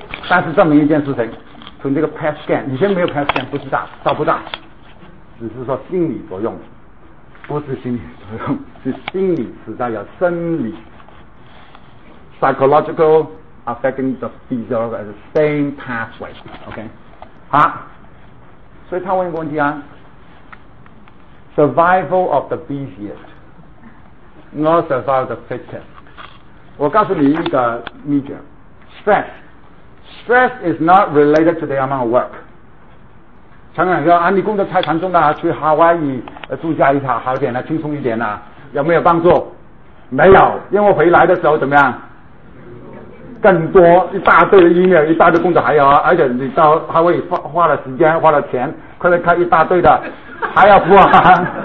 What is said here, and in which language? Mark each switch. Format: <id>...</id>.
<zh>但是证明一件事情，从这个 PET scan 以前没有 PET scan 不知道找不到，只是说心理作用，不是心理作用，是心理实在有生理</zh> <en>psychological affecting the physiology at the same pathway，</en> <zh>OK。好，所以他问一个问题啊，</zh> <en>survival of the busiest not survival of the fittest。</en> <zh>我告诉你一个秘诀，</zh> <en>Stress is not related to the amount of work。</en> <zh>常常说啊，你工作太繁重了，去夏威夷住家一下好点了，轻松一点了，有没有帮助？没有，因为回来的时候怎么样？更多一大堆的 email， 一大堆工作，还有而且你到他会花了时间花了钱，快来开一大堆的，还要付啊。</zh>